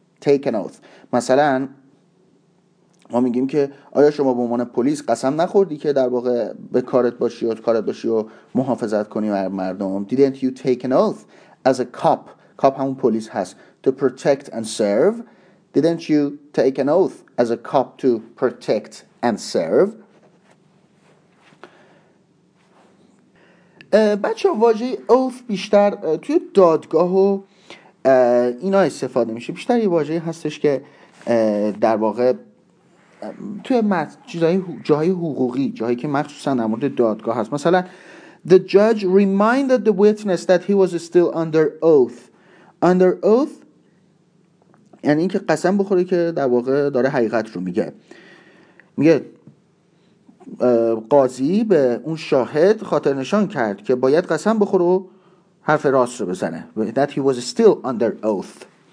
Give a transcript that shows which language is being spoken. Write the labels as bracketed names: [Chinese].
[English] take an oath، [Persian] مثلا ما میگیم که آیا شما به عنوان پلیس قسم نخوردی که در واقع به کارت باشی و کارت باشی و محافظت کنی بر مردم. [English] didn't you take an oath as a cop، cop [Persian] همون پلیس هست، [English] to protect and serve. didn't you take an oath as a cop to protect and serve. [Persian] بچه واژه oath بیشتر توی دادگاه و اینا استفاده میشه. بیشتر یه واژه هستش که در واقع توی جاهای حقوقی، جاهایی که مخصوصا در مورد دادگاه هست. [English] مثلا the judge reminded the witness that he was still under oath. [Persian] under oath یعنی این که قسم بخوره که در واقع داره حقیقت رو میگه. میگه قاضی به اون شاهد خاطر نشان کرد که باید قسم بخوره و حرف راست رو بزنه. [English] that he was still under oath.